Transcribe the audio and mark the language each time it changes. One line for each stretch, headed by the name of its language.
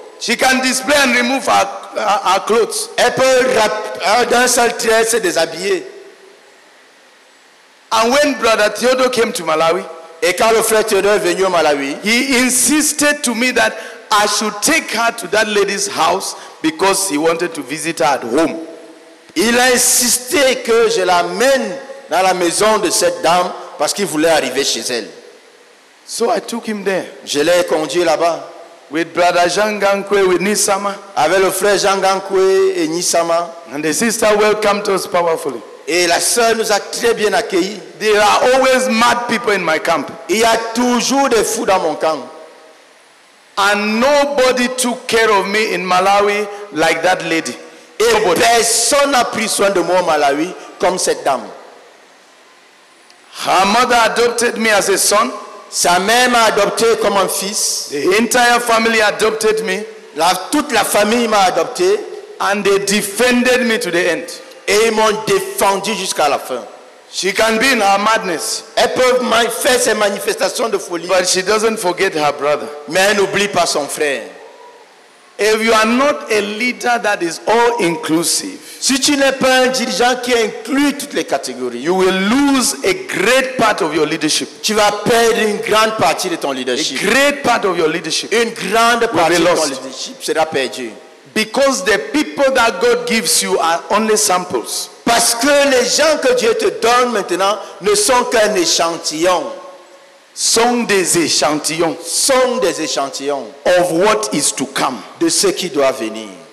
English: She can display and remove her clothes.
French: Elle peut d'un seul trait se déshabiller.
English: And when Brother Theodore came to Malawi,
French: et quand le frère Theodore est venu au Malawi,
English: he insisted to me that I should take her to that lady's house because he wanted to visit her at home.
French: Il a insisté que je l'amène dans la maison de cette dame parce qu'il voulait arriver chez elle.
English: So I took him there.
French: Je l'ai conduit là-bas.
English: With brother Jean Gankwe with Nisama.
French: Avec le frère Jean Gankwe et Nisama.
English: And the sister welcomed us powerfully.
French: Et la sœur nous a très bien accueillis.
English: There are always mad people in my camp.
French: Il y a toujours des fous dans mon camp.
English: And nobody took care of me in Malawi like that lady.
French: Et
English: nobody.
French: Personne n'a pris soin de moi au Malawi comme cette dame.
English: Her mother adopted me as a son.
French: Sa mère m'a adopté comme un fils.
English: The entire family adopted me.
French: Toute la famille m'a adopté.
English: And they defended me to the end.
French: Et ils m'ont défendu jusqu'à la fin.
English: She can be in her madness.
French: Elle peut faire ses manifestations de folie.
English: But she doesn't forget her brother.
French: Mais elle n'oublie pas son frère.
English: If you are not a leader that is all inclusive,
French: si tu n'es pas un dirigeant qui inclut toutes les catégories,
English: you will lose a great part of your leadership.
French: Tu vas perdre une grande partie de ton leadership.
English: A great part of your leadership.
French: Une grande partie de ton leadership sera perdue.
English: Because the people that God gives you are only samples.
French: Parce que les gens que Dieu te donne maintenant ne sont qu'un échantillon. Sont des échantillons. Sont des échantillons.
English: Of what is to come.
French: De ce qui doit venir.